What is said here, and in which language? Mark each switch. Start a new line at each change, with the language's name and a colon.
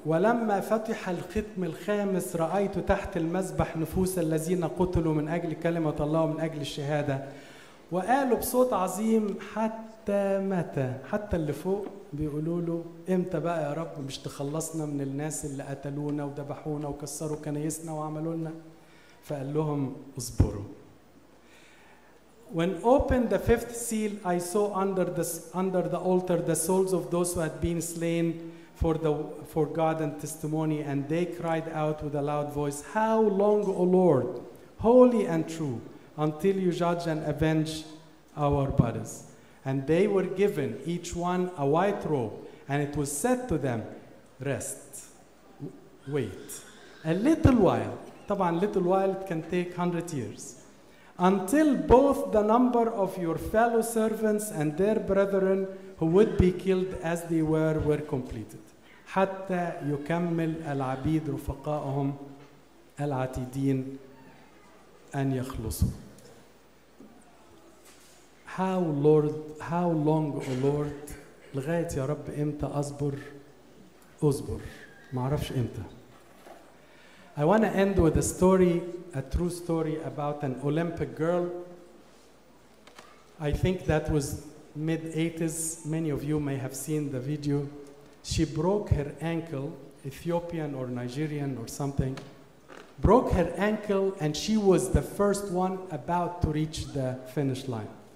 Arabic: ولما فتح الختم الخامس رأيت تحت المذبح نفوس الذين قتلوا من أجل كلمة الله ومن أجل الشهادة وقالوا بصوت عظيم حتى متى؟ حتى اللي فوق بيقولوا له امتى بقى يا رب مش تخلصنا من الناس اللي قتلونا وذبحونا وكسروا كنيسنا وعملوا لنا؟ فقال لهم اصبروا.
English: When opened the fifth seal, I saw under the altar the souls of those who had been slain for God and testimony, and they cried out with a loud voice, how long, O Lord, holy and true, until you judge and avenge our bodies? And they were given, each one, a white robe, and it was said to them, rest, wait, a little while. طبعا little while it can take 100 years. Until both the number of your fellow servants and their brethren who would be killed as they were completed.
Arabic: حتى يكمل العبيد رفقائهم العتيدين أن يخلصوا.
English: How long, O Lord,
Arabic: لغاية يا رب إمتى أصبر؟ أصبر. ما عرفش إمتى.
English: I want to end with a story, a true story about an Olympic girl. I think that was mid-80s. Many of you may have seen the video. She broke her ankle, Ethiopian or Nigerian or something, broke her ankle, and she was the first one about to reach the finish line.